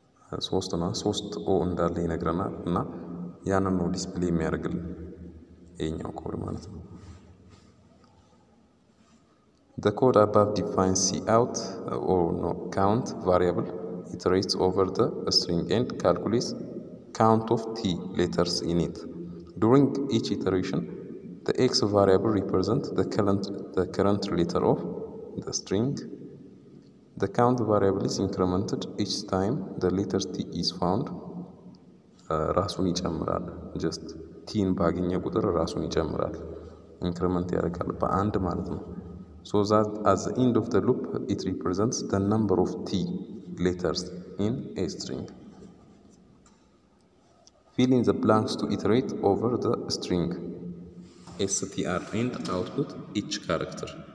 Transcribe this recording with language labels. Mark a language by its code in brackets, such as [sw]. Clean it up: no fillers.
[am] 3 እና 3 o እንዳለ ይነግረናል እና ያንን ነው display የሚያርግልን ይሄኛው ኮድ ማለት ነው [en] the code above defines cout or no count variable iterates over the string and calculates count of t letters in it. During each iteration, the x variable represents the current letter of the string. The count variable is incremented each time the letter t is found. [am] ራሱን ይጨምራል. Just t in ባገኘ ቁጥር ራሱን ይጨምራል. Increment ያደርጋል በአንድ ማለት ነው. [en] So that at the end of the loop, it represents the number of t letters in a string. Fill in the blanks to iterate over the string. STR and output each character.